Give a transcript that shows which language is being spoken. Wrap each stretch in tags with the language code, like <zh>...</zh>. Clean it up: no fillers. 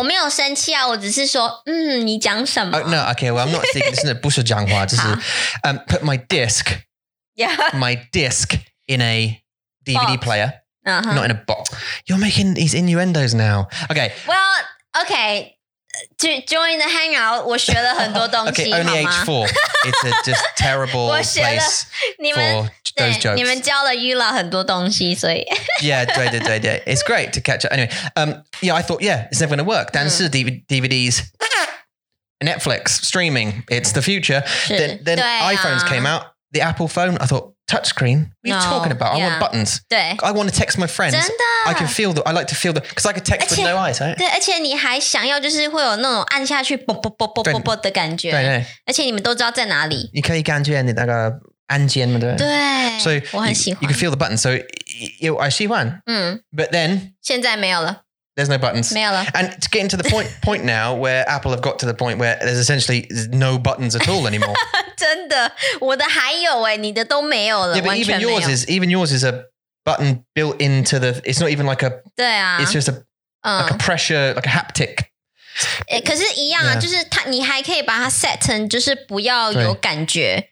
<zh>我没有生气啊，我只是说，你讲什么？</zh> <en>No, okay, well, I'm not thinking, this is</en> <zh>不是讲话，就是</zh> <en>put my disc. Yeah. My disc. In a DVD box. Player,、 uh-huh. not in a box. You're making these innuendos now. Okay. Well, okay. To join the hangout,</en> <zh>我学了很多东西</zh> <en>Okay, only age four. It's a just terrible place for those jokes.</en> <zh>你们教了 Yula 很多东西，所以</zh> <en>Yeah,</en> <zh>对对对对</zh> <en>It's great to catch up. Anyway, yeah, I thought, yeah, it's never going to work. 但是 DVDs, Netflix, streaming, it's the future. Then iPhones came out. The Apple phone, I thought,Touchscreen? What are you talking about? I want buttons.</en> <zh>对</zh> <en>I want to text my friends.</en> <zh>真的</zh> <en>I can feel the, I like to feel the, because I could text with no eyes, right?</en> <zh>对而且你还想要就是会有那种按下去啵啵啵啵啵啵的感觉。对对。而且你们都知道在哪里。你可以感觉你那个按键嘛对。对。</zh> <en>So,</en> <zh>我很喜欢。</zh> <en>You can feel the button. So, I see one. But then.</en> <zh>现在没有了。</zh> <en>There's no buttons.</en> <zh>没有了。</zh> <en>And to get into the point now where Apple have got to the point where there's essentially no buttons at all anymore.</en> <zh>真的，我的还有哎，你的都没有了，</zh> <en>yeah,</en> <zh>完全没有。</zh> <en>Even yours is a button built into the. It's not even like a.</en> <zh>对啊。</zh> <en>It's just a like a pressure, like a haptic.</en> <zh>可是，一样啊，</zh> <en>yeah.</en> <zh>就是它，你还可以把它 set 成，就是不要有感觉。</zh>